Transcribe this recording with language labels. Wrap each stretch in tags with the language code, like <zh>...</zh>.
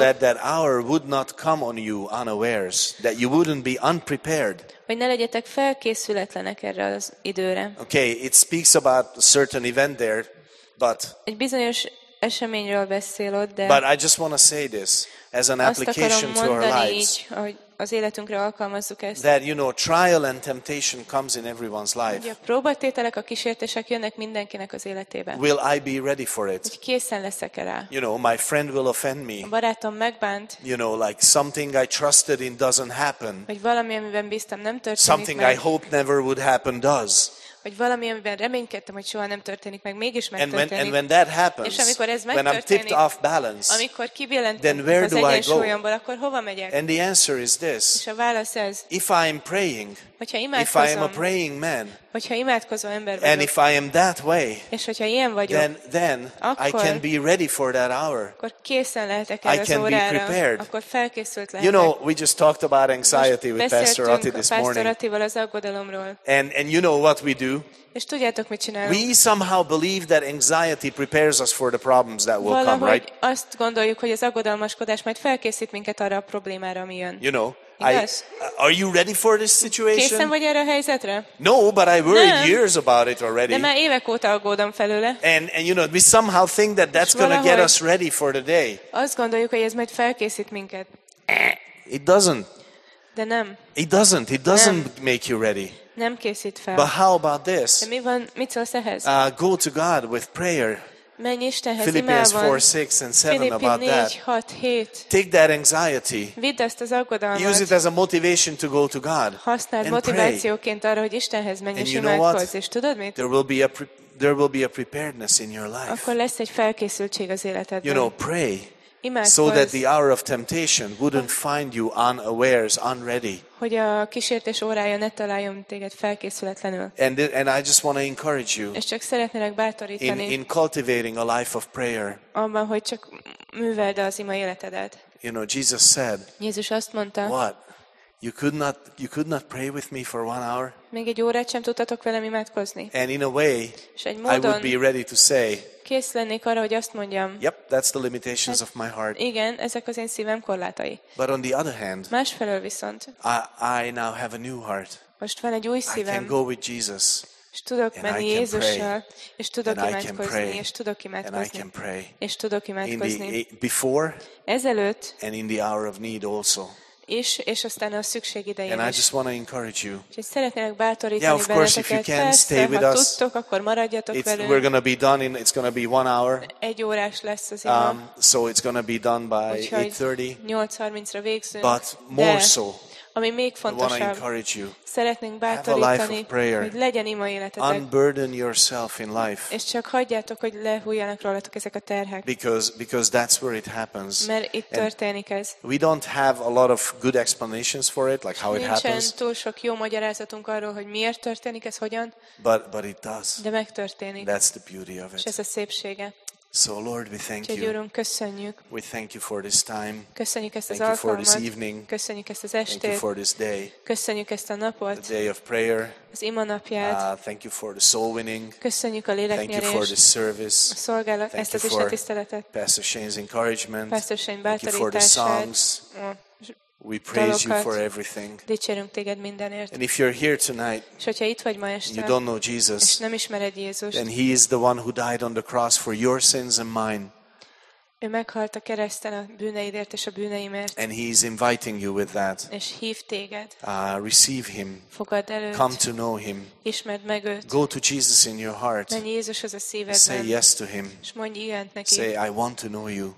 <en>So that hour would not come on you unawares, that you wouldn't be unprepared.</en> <hu>Hogy ne legyetek felkészületlenek erre az időre.</hu> <en>Okay, it speaks about a certain event there, but.</en> <hu>Egy bizonyos eseményről beszél ott, de.</hu> <en>But I just want to say this as an application to our lives.</en> <hu>Azt akarom mondani így, az életünkre alkalmazzuk ezt.</hu> <en>That you know, trial and temptation comes in everyone's life.</en> <hu>Ugye, próbatételek, a kísértések jönnek mindenkinek az életében.</hu> <en>Will I be ready for it?</en> <hu>Hogy készen leszek rá?</hu> <en>You know, my friend will offend me.</en> <hu>A barátom megbánt.</hu> <en>You know, like something I trusted in doesn't happen.</en> <hu>Hogy valami, amiben bíztam, nem történik.</hu> <en>Something</en> <hu>meg.</hu> <en>I hoped never would happen does.</en> <hu>Hogy valami, amiben reménykedtem, hogy soha nem történik meg, mégis megtörténik.</hu> <en>And when that happens,</en> <hu>és amikor ez</hu> <en>when I'm tipped off balance,</en> <hu>amikor kibillentem az egyensúlyomból, akkor hova megyek?</hu> <en>And the answer is this.</en> <hu>És a válasz ez,</hu> <en>if I'm praying,</en> <hu>hogyha imádkozom,</hu> <en>if I am a praying man,</en> <hu>hogyha imádkozó ember vagyok.</hu> <en>And if I am that way,</en> <hu>és hogyha ilyen vagyok,</hu> <en>then</en> <hu>akkor,</hu> <en>I can be ready for that hour.</en> <hu>Akkor készen lehetek erre az órára.</hu> <en>I can be prepared.</en> <hu>Akkor felkészült lehetek.</hu> <en>You know, we just talked about anxiety with Pastor Ati this morning.</en> <hu>Beszéltünk Pastor Atival az aggodalomról.</hu> <en>And you know what we do?</en> <hu>És tudjátok, mit csinálunk?</hu> <en>We somehow believe that anxiety prepares us for the problems that will</en> <hu>valahogy</hu> <en>come, right?</en> <hu>Azt gondoljuk, hogy az aggodalmaskodás majd felkészít minket arra a problémára, ami jön.</hu> <en>You know,</en> <hu>igaz?</hu> <en>Are you ready for this situation?</en> <hu>Készen vagy erre a helyzetre?</hu> <en>No, but I worried years about it already.</en> <hu>De már évek óta aggódom felőle.</hu> <en>And you know, we somehow think that that's going to get us ready for the day.</en> <hu>Azt gondoljuk, hogy ez majd felkészít minket.</hu> <en>It doesn't.</en> <hu>De nem.</hu> <en>It doesn't. It doesn't make you ready.</en> <hu>Nem készít fel.</hu> <en>But how about this?</en> <hu>De mi van, mit szólsz ehhez?</hu> <en>Go to God with prayer.</en> <hu>Menj Istenhez,</hu> <en>Philippians 4, 6 and 7 about 4, 6, that. 7. Take that anxiety.</en> <hu>Vidd ezt az aggodalmat.</hu> <en>Use it as a motivation to go to God.</en> <hu>Használd motivációként arra, hogy Istenhez menj és imádkozz. És tudod mit?</hu> <en>There will be a preparedness in your life.</en> <hu>Akkor lesz egy felkészültség az életedben.</hu> <en>You know, pray. So that the hour of temptation wouldn't find you unawares, unready.</en> <hu>Hogy a kísértés órája ne találjon téged felkészületlenül.</hu> <en>And I just want to encourage you.</en> <hu>És csak szeretnélek bátorítani.</hu> <en>In cultivating a life of prayer.</en> <hu>Abban, hogy csak műveld az ima életedet.</hu> <en>You know, Jesus said.</en> <hu>Jézus azt mondta.</hu> <en>What? You could not pray with me for one hour?</en> <hu>Még egy órát sem tudtatok velem imádkozni.</hu> <en>And in a way,</en> <hu>módon,</hu> <en>I would be ready to say.</en> <hu>Kész lennék arra, hogy azt mondjam.</hu> <en>Yep, that's the limitations of my heart.</en> <hu>Igen, ezek az én szívem korlátai.</hu> <en>But on the other hand,</en> <hu>másfelől viszont,</hu> <en>I now have a new heart.</en> <hu>Most van egy új szívem.</hu> <en>I can go with Jesus.</en> <hu>És tudok menni Jézussal, és tudok imádkozni, és tudok imádkozni.</hu> <en>And I can pray.</en> <hu>És tudok imádkozni.</hu> <en>Before,</en> <hu>ezelőtt,</hu> <en>and in the hour of need also.</en> <hu>És aztán a szükség idején</hu> <en>is. And I just want to encourage you.</en> <hu>És szeretnélek bátorítani benneteket.</hu> <en>Yeah, of course, if you can, stay with us.</en> <hu>Ha tudtok, akkor maradjatok velünk.</hu> <en>We're going to be done in, it's going to be one hour.</en> <hu>Egy órás lesz az</hu> <en>ima. So it's going to be done by 8:30.</en> <hu>8:30-ra végzünk.</hu> <en>But more so.</en> <hu>Ami még fontosabb, szeretnénk bátorítani, hogy legyen ima életetek.</hu> <en>Unburden yourself in life.</en> <hu>És csak hagyjátok, hogy lehújjanak rólatok ezek a terhek.</hu> <en>Because that's where it happens.</en> <hu>Mert itt történik ez.</hu> <en>We don't have a lot of good explanations for it, like how it happens.</en> <hu>Nincsen túl sok jó magyarázatunk arról, hogy miért történik ez, hogyan.</hu> <en>But it does.</en> <hu>De megtörténik.</hu> <en>That's the beauty of it.</en> <hu>És ez a szépsége.</hu> <en>So Lord, we thank you.</en> <hu>Úrunk, köszönjük.</hu> <en>We thank you for this time.</en> <hu>Köszönjük ezt az</hu> <en>alkalmat. Thank you for this evening.</en> <hu>Köszönjük ezt az estét.</hu> <en>Thank you for this day.</en> <hu>Köszönjük ezt a napot.</hu> <en>The day of prayer.</en> <hu>Az ima napját.</hu> <en>Thank you for the soul winning.</en> <hu>Köszönjük a léleknyerést.</hu> <en>Thank you for this service.</en> <hu>A szolgálat, ezt az Isten tiszteletet.</hu> <en>Pastor Shane's encouragement.</en> <hu>Pastor Shane bátorítását.</hu> <en>Thank you for the songs. We praise you for everything.</en> <hu>Dicsérünk téged mindenért.</hu> <en>And if you're here tonight,</en> <hu>és hogyha itt vagy ma este,</hu> <en>you don't know Jesus,</en> <hu>és nem ismered Jézust,</hu> <en>then he is the one who died on the cross for your sins and mine.</en> <hu>Ő meghalt a kereszten a bűneidért és a bűneimért.</hu> <en>And he is inviting you with that.</en> <hu>És hív téged.</hu> <en>Receive him.</en> <hu>Fogadd el őt.</hu> <en>Come to know him.</en> <hu>Ismerd meg őt.</hu> <en>Go to Jesus in your heart.</en> <hu>Menj Jézushoz a szívedben.</hu> <en>Say yes to him.</en> <hu>És mondj igent neki.</hu> <en>Say I want to know you.</en>